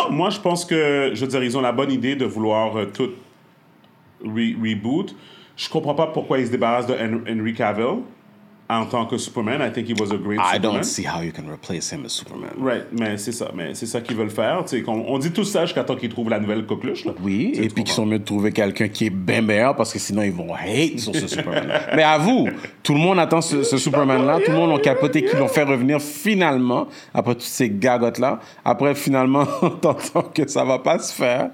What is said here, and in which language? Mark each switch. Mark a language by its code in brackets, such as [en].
[fr] Non, moi, je pense que, je veux dire, ils ont la bonne idée de vouloir tout reboot. Je comprends pas pourquoi ils se débarrassent de Henry Cavill. [en] En tant que Superman, I think he was a great Superman. I don't see how you can replace him as Superman. [fr] Right, mais c'est ça qu'ils veulent faire. T'sais, on dit tout ça jusqu'à temps qu'ils trouvent la nouvelle coqueluche. Là. Oui, et puis qu'ils sont mieux de trouver quelqu'un qui est bien meilleur parce que sinon ils vont hate sur ce Superman. Mais avoue, tout le monde attend ce Superman-là. Yeah, tout le monde a capoté qu'ils vont faire revenir finalement après toutes ces gagottes-là. Après, finalement, t'entends que ça va pas se faire.